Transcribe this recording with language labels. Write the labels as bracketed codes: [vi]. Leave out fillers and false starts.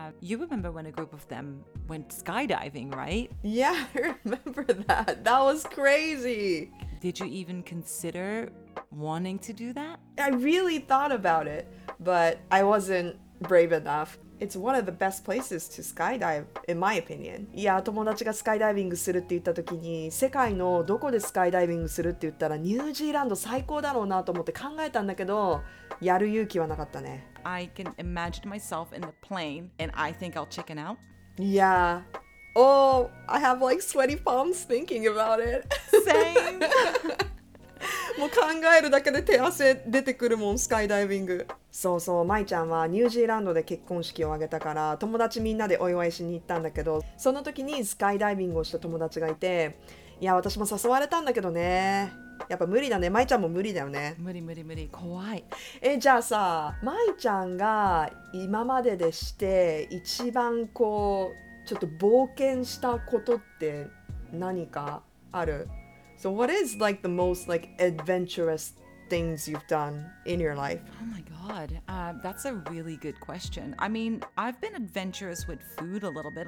[en] You remember when a group of them went skydiving, right? Yeah, I remember that. That was crazy. Did you even consider wanting to do that? I really thought about it, but I wasn't brave enough. It's one of the best places to skydive, in my opinion. [ja] いや、友達がスカイダイビングするって言った時に、世界のどこでスカイダイビングするって言ったら、ニュージーランド最高だろうなと思って考えたんだけど、やる勇気はなかったね。 [en] I can imagine myself in the plane, and I think I'll chicken out. Yeah. Oh, I have like sweaty palms thinking about it. Same. [ja] もう考えるだけで手汗出てくるもん、スカイダイビング。そうそう、舞ちゃんはニュージーランドで結婚式を挙げたから、友達みんなでお祝いしに行ったんだけど、その時にスカイダイビングをした友達がいて、いや私も誘われたんだけどね、やっぱ無理だね。舞ちゃんも無理だよね。無理無理無理、怖い。え、じゃあさ、舞ちゃんが今まででして一番こうちょっと冒険したことって何かある？ [en] So what is like the most like adventurous things you've done in your life? Oh my god, that's a really good question. I mean, I've been adventurous with food a little bit.